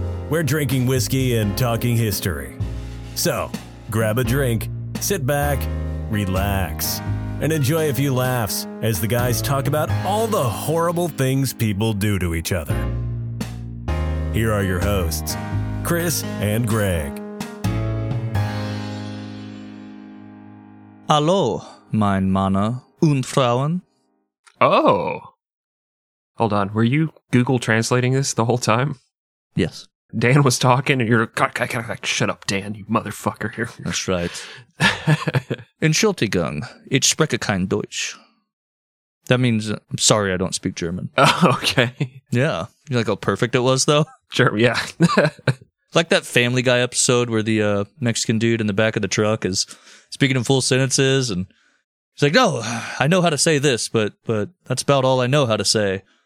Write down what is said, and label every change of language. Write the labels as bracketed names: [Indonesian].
[English] We're drinking whiskey and talking history. So, grab a drink, sit back, relax, and enjoy a few laughs as the guys talk about all the horrible things people do to each other. Here are your hosts, Chris and Greg. [German] Hallo, mein Männer und Frauen. [English] Oh. Hold on. Were you Google translating this the whole time? Yes. Dan was talking and you're like, shut up, Dan, you motherfucker. That's right. [German] Entschuldigung, ich spreche kein Deutsch. [English] That means, I'm sorry, I don't speak German. Oh, okay. Yeah. You like how perfect it was, though? Sure, yeah. Like that Family Guy episode where the Mexican dude in the back of the truck is speaking in full sentences, and he's like, no, I know how to say this, but that's about all I know how to say.